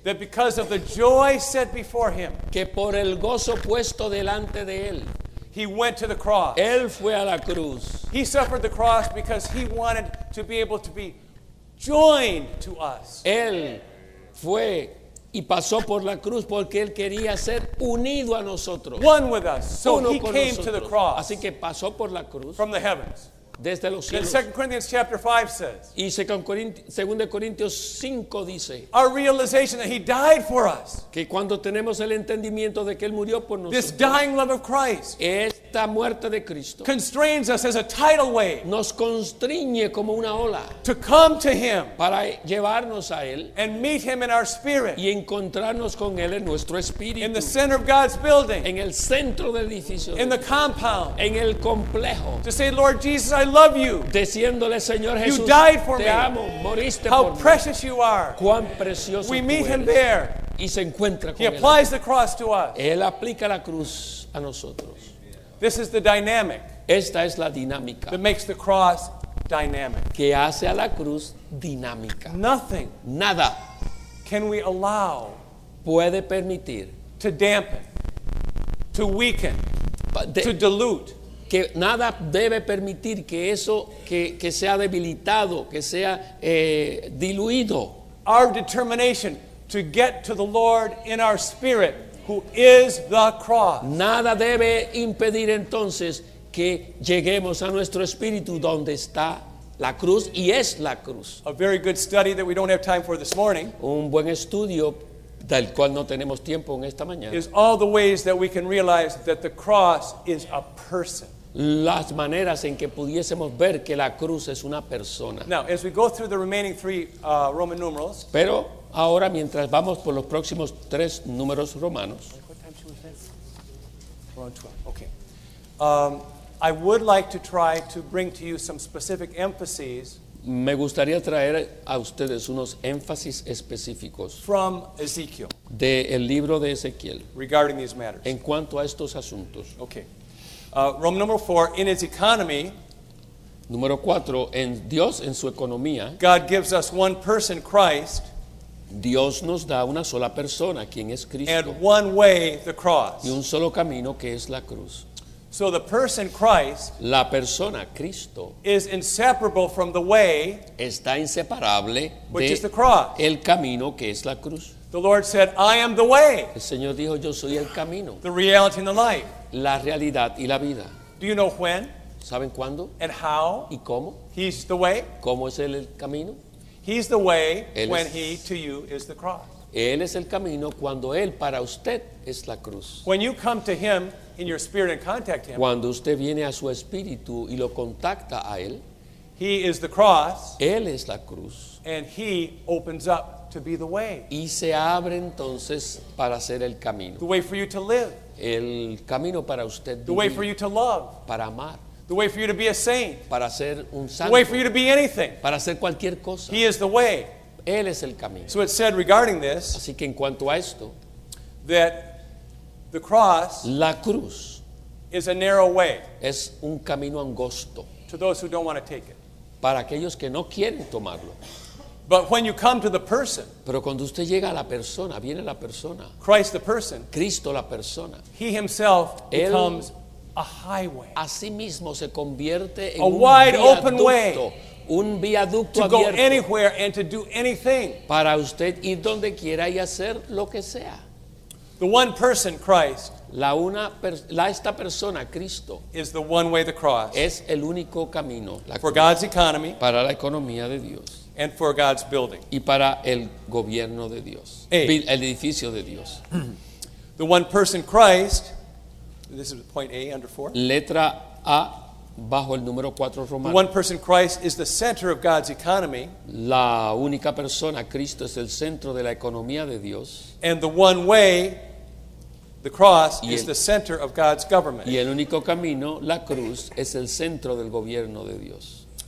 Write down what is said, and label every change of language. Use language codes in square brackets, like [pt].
[en] That because of the joy set before him. [es] Que por el gozo puesto delante de él. [en] He went to the cross. [es] Él fue a la cruz. [en] He suffered the cross because he wanted to be able to be joined to us. [es] Él fue y pasó por la cruz porque él quería ser unido a nosotros. [en] One with us. So [es] uno [en] he came [es] nosotros. [en] To the cross. [es] Así que pasó por la cruz. [en] From the heavens. [es] Desde los cielos. [en] And 2 Corinthians chapter 5 says. [es] Y 2 Corintios 5 dice. [en] Our realization that he died for us. [es] Que cuando tenemos el entendimiento de que él murió por nosotros. [en] This dying love of Christ. [es] Esta muerte de Cristo. [en] Constrains us as a tidal wave. [es] Nos constriñe como una ola. [en] To come to him. [es] Para llevarnos a él. [en] And meet him in our spirit. [es] Y encontrarnos con él en nuestro espíritu. [en] In the center of God's building. [es] En el centro del edificio. [en] In the compound. [es] En el complejo. [en] To say, Lord Jesus, I love you. [es] Diciéndole, Señor Jesús, [en] you died for [es] te [en] me. [es] Amo. Moriste [en] How [es] por [en] precious [es] mí. [en] You are. [es] Cuán precioso [en] we meet [es] eres. [en] Him there. [es] Y se encuentra [en] he [es] con [en] applies [es] él. [en] The cross to us. [es] Él aplica la cruz a nosotros. [en] This is the dynamic. [es] Esta es la dinámica. [en] That makes the cross dynamic. [es] Que hace a la cruz dinámica. [en] Nothing. [es] Nada. [en] Can we allow. [es] Puede permitir. [en] To dampen. To weaken. To dilute. [es] Que nada debe permitir que eso que sea debilitado, que sea diluido. [en] Our determination to get to the Lord in our spirit, who is the cross. [es] Nada debe impedir entonces que lleguemos a nuestro espíritu donde está la cruz y es la cruz. [en] A very good study that we don't have time for this morning. [es] Un buen estudio del cual no tenemos tiempo en esta mañana. [en] Is all the ways that we can realize that the cross is a person. [es] Las maneras en que pudiésemos ver que la cruz es una persona. [en] Now, as we go through the remaining three Roman numerals. [es] Pero ahora mientras vamos por los próximos tres números romanos. [en] Okay. I would like to try to bring to you some specific emphases. [es] Me gustaría traer a ustedes unos énfasis específicos. [en] From Ezekiel. [es] De el libro de Ezequiel. [en] Regarding these matters. [es] En cuanto a estos asuntos. [en] Okay. Roman number 4, in his economy, [es] número 4, en Dios en su economía, [en] God gives us one person, Christ, [es] Dios nos da una sola persona, quien es Cristo, [en] and one way, the cross, [es] y un solo camino, que es la cruz. [en] So the person, Christ, [es] la persona, Cristo, [en] is inseparable from the way, [es] está inseparable, [en] which is the cross, [es] el camino, que es la cruz. [en] The Lord said, I am the way, [es] el Señor dijo, yo soy el camino, [en] the reality and the life. [es] La realidad y la vida. [en] Do you know when? [es] ¿Saben cuándo? [en] And how? [es] ¿Y cómo? [en] He's the way. [es] ¿Cómo es él el camino? [en] He's the way [es] él [en] when es, he to you is the cross. [es] Él es el camino cuando él para usted es la cruz. [en] When you come to him in your spirit and contact him. [es] Cuando usted viene a su espíritu y lo contacta a él. [en] He is the cross. [es] Él es la cruz. [en] And he opens up to be the way. [es] Y se abre entonces para ser el camino. [en] The way for you to live. [es] El camino para usted [en] the way for you to love [es] para amar. [en] The way for you to be a saint [es] para ser un santo. [en] The way for you to be anything [es] para ser cualquier cosa. [en] He is the way. [es] Él es el camino. [en] So it said regarding this [es] así que en cuanto a esto, [en] that the cross [es] la cruz [en] is a narrow way [es] es un camino angosto [en] to those who don't want to take it [es] para aquellos que no quieren tomarlo. [en] But when you come to the person, [es] pero cuando usted llega a la persona, viene la persona. [en] Christ the person, [es] Cristo la persona. [en] He himself becomes a highway. [es] A sí mismo se convierte en [en] a wide open way, [es] un viaducto [en] to [es] abierto [en] go anywhere and to do anything. [es] Para usted ir donde quiera y hacer lo que sea. [en] The one person, Christ, [es] esta persona, Cristo, [en] is the one way the cross. [es] Es el único camino. La [en] for God's economy, [es] para la economía de Dios. [en] And for God's building. [es] Y para el gobierno de Dios. El edificio de Dios. [en] The one person Christ. This is point A under 4. [es] Letra A bajo el número 4 romano. [en] The one person Christ is the center of God's economy. [es] La única persona Cristo es el centro de la economía de Dios. [en] And the one way the cross is the center of God's government. [es] Y el único camino la cruz es el centro del gobierno de Dios.